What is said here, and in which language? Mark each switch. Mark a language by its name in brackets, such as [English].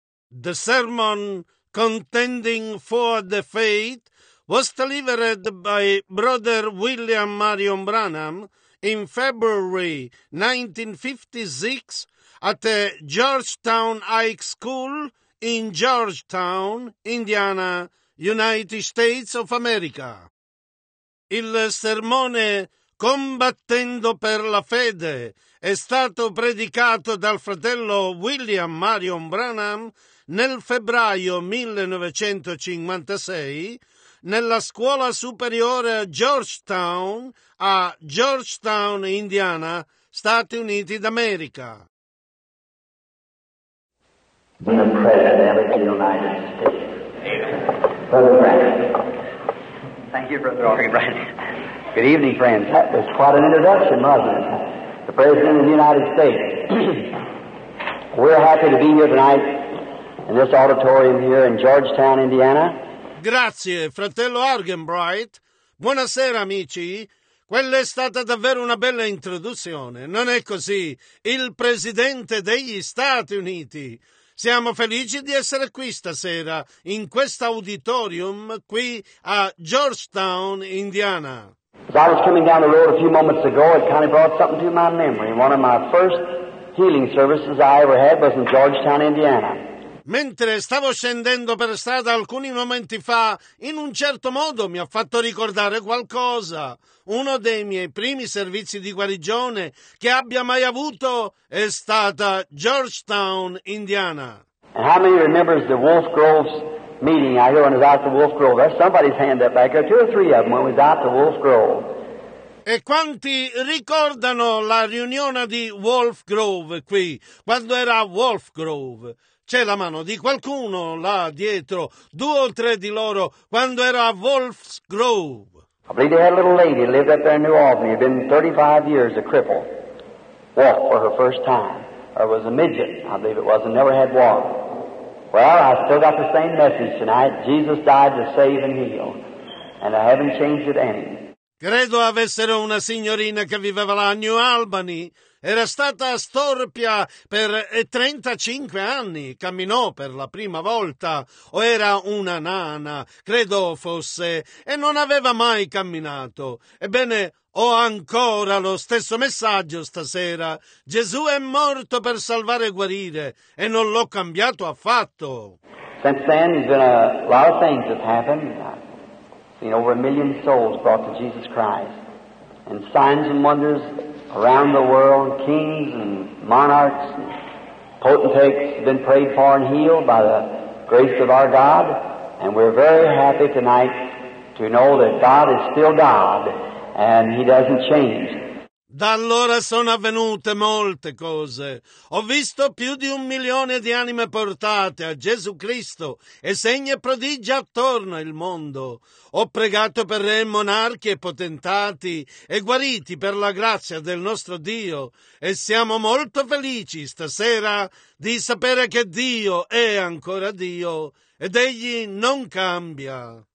[English] The sermon Contending for the Faith was delivered by Brother William Marion Branham in February 1956 at the Georgetown High School in Georgetown, Indiana, United States of America. [Italian] Il sermone Combattendo per la fede è stato predicato dal fratello William Marion Branham nel febbraio 1956 nella scuola superiore Georgetown a Georgetown, Indiana, Stati Uniti d'America. [English] In the presence of the United States. Amen. Brother Branham. Thank you, Brother Aubrey Branham. Good evening, friends. That was quite an introduction, wasn't it? The President of the United States. We're happy to be here tonight in this auditorium here in Georgetown, Indiana. [Italian] Grazie, fratello Argenbright. Buonasera, amici. Quella è stata davvero una bella introduzione. Non è così. Il Presidente degli Stati Uniti. Siamo felici di essere qui stasera, in questo auditorium, qui a Georgetown, Indiana. [English] As I was coming down the road a few moments ago, it kind of brought something to my memory. One of my first healing services I ever had was in Georgetown, Indiana. [Italian] Mentre stavo scendendo per strada alcuni momenti fa, in un certo modo mi ha fatto ricordare qualcosa. Uno dei miei primi servizi di guarigione che abbia mai avuto è stata Georgetown, Indiana. [English] And how many remembers the Wolf Grove meeting? I hear when I was out the Wolf Grove. That's somebody's hand up back there. Two or three of them when we was out the Wolf Grove. [Italian] E quanti ricordano la riunione di Wolf Grove qui, quando era Wolf Grove? C'è la mano di qualcuno là dietro, due o tre di loro, quando era a Wolf's Grove. [English] I believe they had a little lady who lived up there in New Albany, had been 35 years a cripple, walked for her first time, or was a midget, I believe it was, and never had walked. Well, I still got the same message tonight, Jesus died to save and heal, and I haven't changed it any. [Italian] Credo avessero una signorina che viveva là a New Albany. Era stata storpia per 35 anni, camminò per la prima volta, o era una nana, credo fosse, e non aveva mai camminato. Ebbene, ho ancora lo stesso messaggio stasera. Gesù è morto per salvare e guarire, e non l'ho cambiato affatto. [English] Since then, there's been a lot of things that have happened. I've seen over a million souls brought to Jesus Christ, and signs and wonders around the world, kings and monarchs and potentates have been prayed for and healed by the grace of our God. And we're very happy tonight to know that God is still God and He doesn't change. [Italian] Da allora sono avvenute molte cose. Ho visto più di un milione di anime portate a Gesù Cristo e segni e prodigi attorno al mondo. Ho pregato per re, monarchi e potentati e guariti per la grazia del nostro Dio e siamo molto felici stasera di sapere che Dio è ancora Dio ed Egli non cambia.